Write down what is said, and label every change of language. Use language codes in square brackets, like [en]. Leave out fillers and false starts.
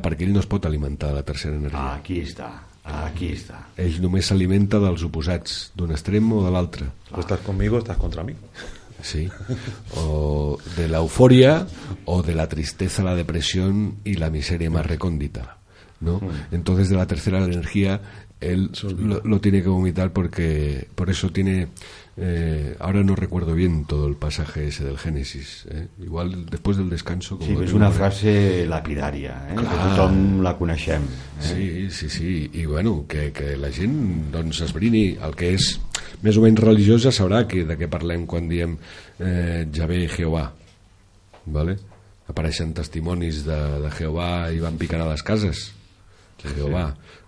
[ca] Perquè ell no es pot alimentar de la tercera energia. Aquí està, aquí està. Ell només s'alimenta dels oposats, d'un extrem o de l'altre. Estàs [es] conmigo, [ca] estàs contra mi. Sí, o de l'eufòria o de la tristesa, la depressió i la misèria més recòndita. ¿No? [es] Entonces, de la tercera energia, [ca] ell [es] lo tiene que vomitar porque por eso tiene... ahora no recuerdo bien todo el pasaje ese del Génesis, ¿eh? Igual después del descanso, como sí, es una frase lapidaria, ¿eh? [ca] Que tothom la coneixem, ¿eh? Sí, sí, sí, i bueno, que la gent doncs esbrini el que és més o menys religiós, ja sabrà que de què parlem quan diem Yahvé i Jehovà, ¿vale? Apareixen testimonis de Jehovà i van picar a les cases, sí, Jehovà, sí.